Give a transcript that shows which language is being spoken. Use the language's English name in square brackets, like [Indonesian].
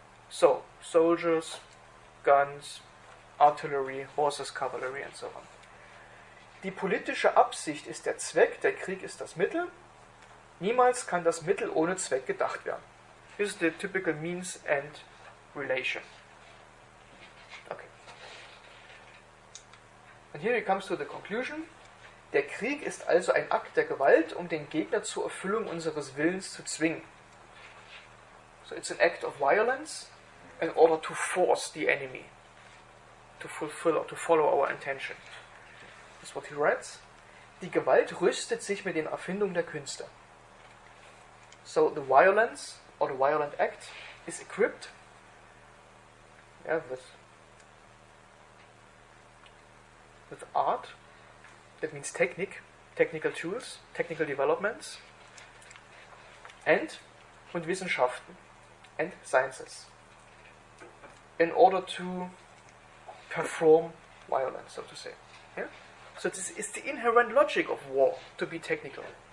[English] So, soldiers, guns, artillery, horses, cavalry and so on. [German] Die politische Absicht ist der Zweck, der Krieg ist das Mittel. Niemals kann das Mittel ohne Zweck gedacht werden. [English] This is the typical means and relation. Okay. And here he comes to the conclusion. [German] Der Krieg ist also ein Akt der Gewalt, um den Gegner zur Erfüllung unseres Willens zu zwingen. [English] So it's an act of violence in order to force the enemy to fulfill or to follow our intention. That's what he writes. [German] Die Gewalt rüstet sich mit den Erfindungen der Künste. [English] So the violence or the violent act is equipped. Yeah, with art, that means technique, technical tools, technical developments, [German] und Wissenschaften, [English] and sciences, in order to perform violence, so to say. Yeah? So this is the inherent logic of war, to be technical,